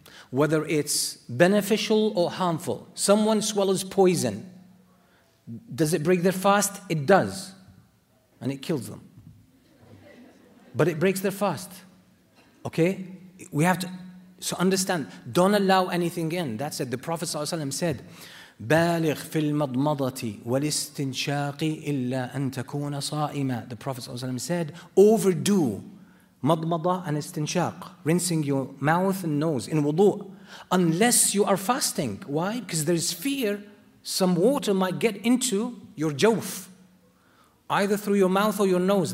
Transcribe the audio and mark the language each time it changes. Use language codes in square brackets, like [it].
[en] Whether it's beneficial or harmful. Someone swallows poison. Does it break their fast? It does. And it kills them. But it breaks their fast. Okay? We have to... So understand, don't allow anything in. That's it. The Prophet ﷺ said, [ar] بالغ في المضمضة والاستنشاق إلا أن تكون صائما. [en] The Prophet ﷺ said, overdo madmada and istinshaq, rinsing your mouth and nose in wudu, unless you are fasting. Why? Because there is fear some water might get into your jawf, either through your mouth or your nose.